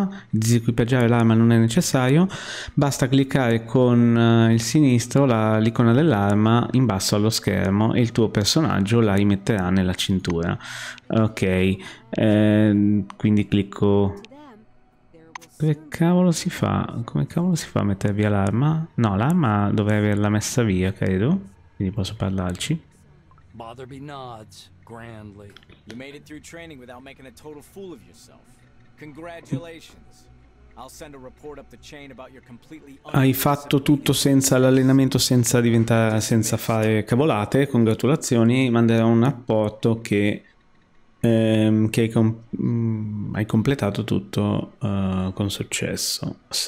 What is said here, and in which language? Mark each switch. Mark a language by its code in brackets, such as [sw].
[it] Disequipaggiare l'arma non è necessario. Basta cliccare con il sinistro l'icona dell'arma in basso allo schermo e il tuo personaggio la rimetterà nella cintura. Ok, quindi clicco... Dove cavolo si fa? Come cavolo si fa a mettere via l'arma? No, l'arma dovrei averla messa via, credo. Quindi posso parlarci. Botherby nods, grandly. [en] You made it through training without making a total fool of yourself. Congratulations. I'll send a report up the chain about your completely... [it] Hai fatto tutto senza l'allenamento, senza fare cavolate. Congratulazioni. Manderò un rapporto che hai completato tutto con successo.